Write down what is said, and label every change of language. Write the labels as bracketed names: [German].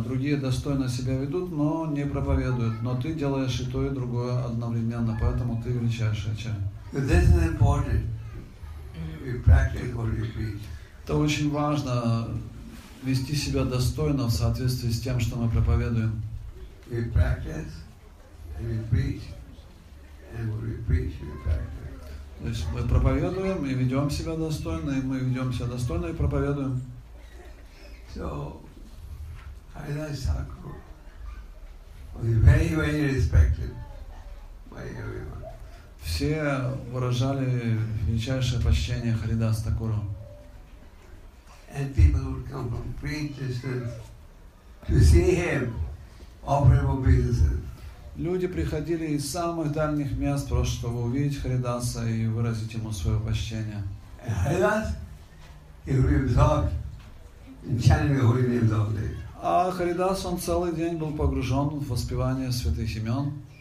[Russian] Другие достойно себя ведут, но не проповедуют. Но ты делаешь и то, и другое одновременно, поэтому ты величайший Ачарья. [English] This is important. We practice what we preach. [Russian] Это очень важно, вести себя достойно в соответствии с тем, что мы проповедуем. [English] We practice, and we preach, and what we preach, we practice. [Russian] То есть мы проповедуем и ведем себя достойно, и мы ведем себя достойно и проповедуем. [English] So, Haridasa Thakur was very, very respected by everyone. [Russian] Все выражали величайшее почтение Харидасу Такуру. [English] And people would come from great distance to see him offer obeisances. [Russian] Люди приходили из самых дальних мест, просто чтобы увидеть Харидаса и выразить ему свое почтение. А Харидас, он целый день был погружен в воспевание святых имен.